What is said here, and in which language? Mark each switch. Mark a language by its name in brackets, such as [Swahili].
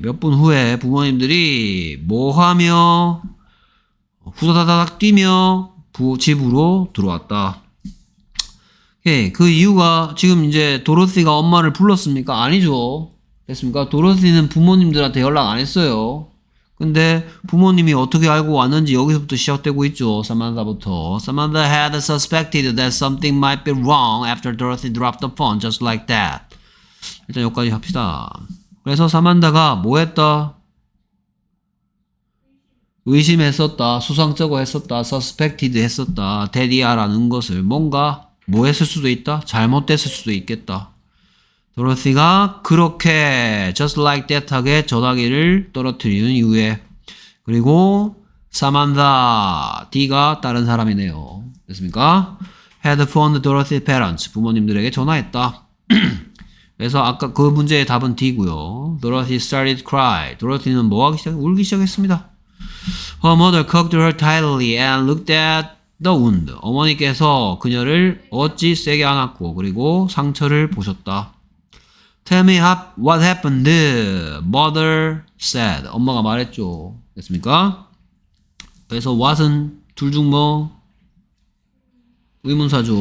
[Korean] 몇 분 후에 부모님들이 뭐 하며 후다다닥 뛰며 집으로 들어왔다. 오케이. 그 이유가 지금 이제 도로시가 엄마를 불렀습니까? 아니죠. 됐습니까? 도로시는 부모님들한테 연락 안 했어요. 근데 부모님이 어떻게 알고 왔는지 여기서부터 시작되고 있죠. 사만다부터. [English] Samantha had suspected that something might be wrong after Dorothy dropped the phone just like that. [Korean] 일단 여기까지 합시다. 그래서 사만다가 뭐 했다? 의심했었다. 수상쩍어 했었다. suspected 했었다. 데디아라는 것을 뭔가 뭐 했을 수도 있다. 잘못됐을 수도 있겠다. 도로시가 그렇게 [English] just like that [Korean] 하게 전화기를 떨어뜨리는 이후에 그리고 사만다 D가 다른 사람이네요. 됐습니까? [English] Had phoned Dorothy's parents. [Korean] 부모님들에게 전화했다. 그래서 아까 그 문제의 답은 D고요. [English] Dorothy started cry. [Korean] 도로시는 뭐하기 시작? 울기 시작했습니다. [English] Her mother cocked her tightly and looked at the wound. [Korean] 어머니께서 그녀를 어찌 세게 안았고 그리고 상처를 보셨다. [English] Tell me what happened, mother said. [Korean] 엄마가 말했죠. 됐습니까? 그래서 what은 둘 중 뭐? 의문사죠.